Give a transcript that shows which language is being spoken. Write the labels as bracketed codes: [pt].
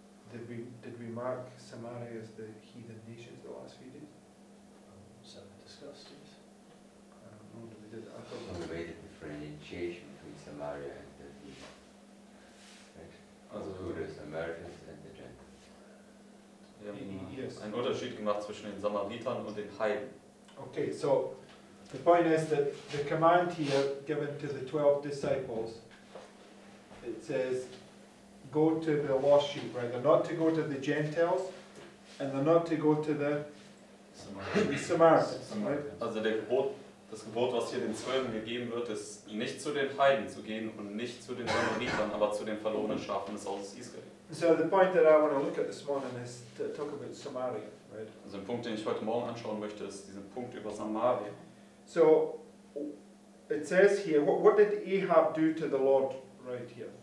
[en] Did we mark Samaria as the heathen nations the last few days? Something discussed, yes. I don't know, did we do that? I thought we made a differentiation between Samaria and the heathen. [de] Also, [en] who is Americans and the Gentiles? [de] Wir haben einen Unterschied gemacht zwischen den Samaritern und den Heiden. [en] Okay, so the point is that the command here given to the 12 disciples, it says, go to the lost sheep, right? They're not to go to the Gentiles and they're not to go to the Samaritans. Samaritans, right? [de] Also der Gebot, das Gebot, was hier den Zwölfen gegeben wird, ist, nicht zu den Heiden zu gehen und nicht zu den Samaritern, aber zu den verlorenen Schafen des Hauses Israel. [en] So the point that I want to look at this morning is to talk about Samaria, right? [de] Also ein Punkt, den ich heute Morgen anschauen möchte, ist dieser Punkt über Samaria. [en] So it says here, what did Ahab do to the Lord right here?